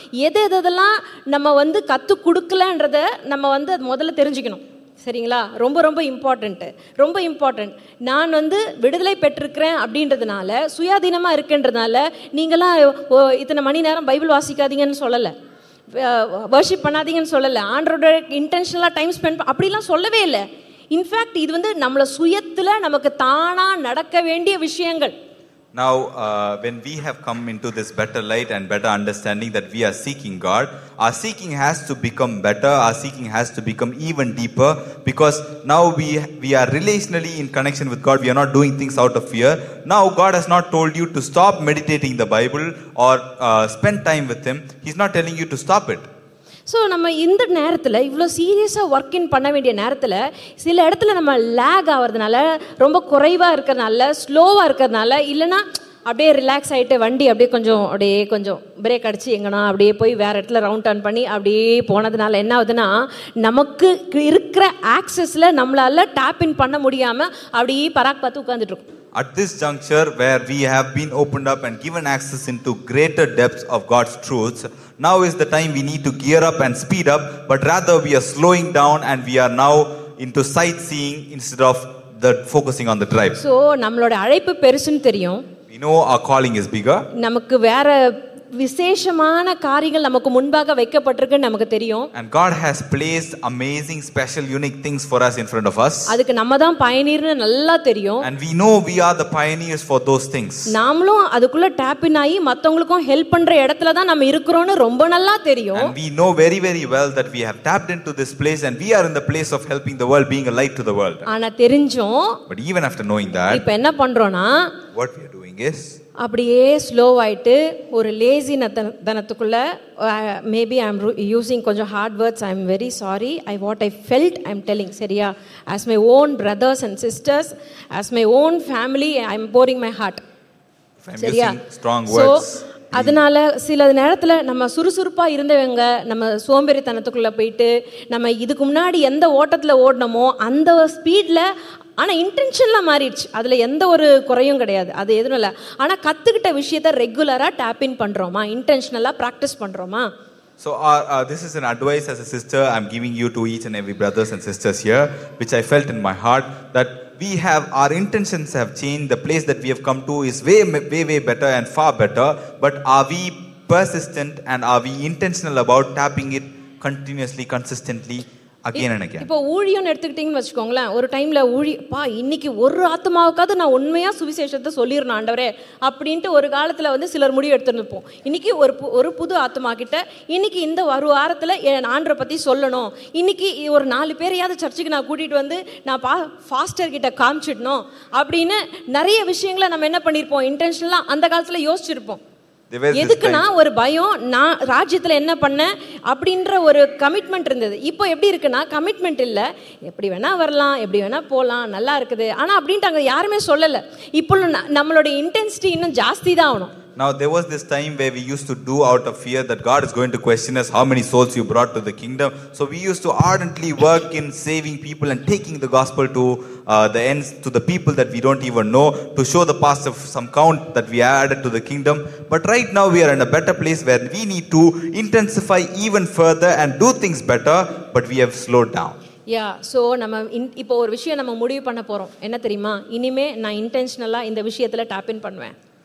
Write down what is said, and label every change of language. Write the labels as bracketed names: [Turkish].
[Tamil] எது எதெல்லாம் நம்ம வந்து கத்து கொடுக்கலன்றத நம்ம வந்து அது முதல்ல தெரிஞ்சுக்கணும் சரிங்களா ரொம்ப ரொம்ப இம்பார்ட்டன்ட்டு ரொம்ப இம்பார்ட்டன்ட் நான் வந்து விடுதலை பெற்றிருக்கிறேன் அப்படின்றதுனால சுயாதீனமாக இருக்கின்றதுனால நீங்களாம் இத்தனை மணி நேரம் பைபிள் வாசிக்காதீங்கன்னு சொல்லலை வர்ஷிப் பண்ணாதீங்கன்னு சொல்லலை ஆண்டரோட இன்டென்ஷனலாக டைம் ஸ்பெண்ட் அப்படிலாம் சொல்லவே இல்லை இன்ஃபேக்ட் இது வந்து நம்மளை சுயத்தில் நமக்கு தானாக நடக்க வேண்டிய விஷயங்கள் [English] Now when we have come into this better light and better understanding that we are seeking God our seeking has to become better our seeking has to become even deeper because now we are relationally in connection with God we are not doing things out of fear now God has not told you to stop meditating the Bible or spend time with him he's not telling you to stop it [Tamil] so நம்ம இந்த நேரத்துல இவ்வளவு சீரியஸா work in பண்ண வேண்டிய நேரத்துல சில இடத்துல நம்ம லேக் ஆகுறதுனால ரொம்ப குறைவா இருக்கிறதுனால ஸ்லோவா இருக்கிறதுனால இல்லைன்னா அப்படியே ரிலாக்ஸ் ஆயிட்டு வண்டி அப்படியே கொஞ்சம் அப்படியே கொஞ்சம் பிரேக் அடிச்சு எங்கன்னா அப்படியே போய் வேற இடத்துல ரவுண்ட் டர்ன் பண்ணி அப்படியே போனதுனால என்ன ஆகுதுன்னா நமக்கு இருக்கிற ஆக்சஸ்ல நம்மளால டேப் இன் பண்ண முடியாம அப்படியே பராக் பார்த்து உட்கார்ந்துட்டு இருக்கும் [English] At this juncture where we have been opened up and given access into greater depths of God's truths, now is the time we need to gear up and speed up, but rather we are slowing down and we are now into sightseeing instead of the focusing on the drive. [Tamil] So, நம்மளோட அழைப்பு பெருசுன்னு தெரியும். [English] We We know our calling is bigger. [Tamil] நமக்கு வேற விசேஷமான காரியங்கள் நமக்கு முன்பாக வைக்கப்பட்டிருக்குன்னு நமக்கு தெரியும். [English] And God has placed amazing, special, unique things for us in front of us. [Tamil] அதுக்கு நம்ம தான் பயணியர்னு நல்லா தெரியும். [English] And we know we are the pioneers for those things. [Tamil] நாமளும் அதுக்குள்ள டாப் இன் ஆகி மத்தவங்களுக்கும் ஹெல்ப் பண்ற இடத்துல தான் நாம இருக்குறோம்னு ரொம்ப நல்லா தெரியும். [English] And we know very very well that we have tapped into this place and we are in the place of helping the world, being a light to the world. [Tamil] ஆனா தெரிஞ்சோம். [English] But even after knowing that, [Tamil] இப்போ என்ன பண்றோனா, [English] what we are doing is [Tamil] அப்படியே ஸ்லோவாயிட்டு ஒரு lazy தனத்துக்குள்ள [English] maybe I am using கொஞ்சம் hard words I am very sorry I what I felt I am telling சரியா as my own brothers and sisters as my own family I am pouring my heart சரியா strong words [Tamil] அதனால சில நேரத்தில் நம்ம சுறுசுறுப்பாக இருந்தவங்க நம்ம சோம்பேறித்தனத்துக்குள்ளே போயிட்டு நம்ம இதுக்கு முன்னாடி எந்த ஓட்டத்தில் ஓடணுமோ அந்த ஸ்பீடில் ஆனால் இன்டென்ஷன்லாம் மாறிடுச்சு அதில் எந்த ஒரு குறையும் கிடையாது அது எதுவும் இல்லை ஆனால் கற்றுக்கிட்ட விஷயத்தை ரெகுலராக டேப் இன் பண்ணுறோமா இன்டென்ஷனலாக ப்ராக்டிஸ் பண்ணுறோமா [English] So this is an advice as a sister I'm giving you to each and every brothers and sisters here which I felt in my heart that we have our intentions have changed the place that we have come to is way way way better and far better but are we persistent and are we intentional about tapping it continuously consistently again and again [Tamil] இப்போ ஊழியன் எடுத்துக்கிட்டீங்கன்னு வச்சுக்கோங்களே ஒரு டைம்ல ஊழி பா இன்னைக்கு ஒரு ஆத்மாவுக்காவது நான் உண்மையா சுவிசேஷத்தை சொல்லிரணும் ஆண்டவரே அப்படினு ஒரு காலத்துல வந்து சிலர் முடிவு எடுத்துறோம் இன்னைக்கு ஒரு புது ஆத்மா கிட்ட இன்னைக்கு இந்த ஒரு வாரத்துல ஆண்டவரை பத்தி சொல்லணும் இன்னைக்கு ஒரு நாலு பேரையாவது சர்ச்சுக்கு நான் கூட்டிட்டு வந்து நான் பாஸ்டர் கிட்ட காமிச்சிடணும் அப்படினு நிறைய விஷயங்களை நம்ம என்ன பண்ணிருப்போம் இன்டென்ஷனலா அந்த காலத்துல யோசிச்சிருப்போம் எதுக்குன்னா ஒரு பயம் நான் ராஜ்யத்துல என்ன பண்ண அப்படின்ற ஒரு கமிட்மெண்ட் இருந்தது இப்போ எப்படி இருக்குன்னா கமிட்மெண்ட் இல்ல எப்படி வேணா வரலாம் எப்படி வேணா போகலாம் நல்லா இருக்குது ஆனா அப்படின்ட்டு அங்க யாருமே சொல்லல இப்போ நம்மளுடைய இன்டென்சிட்டி இன்னும் ஜாஸ்தி தான் ஆகணும் [English] Now there was this time where we used to do out of fear that God is going to question us how many souls you brought to the kingdom. So we used to ardently work in saving people and taking the gospel to the ends, to the people that we don't even know, to show the pastor some count that we added to the kingdom. But right now we are in a better place where we need to intensify even further and do things better, but we have slowed down. [Tamil] Yeah so நம்ம இப்போ ஒரு விஷயம் நம்ம முடிவு பண்ண போறோம் என்ன தெரியுமா இனிமே நான் இன்டென்ஷனலா இந்த விஷயத்துல டாப் இன் பண்ணுவேன்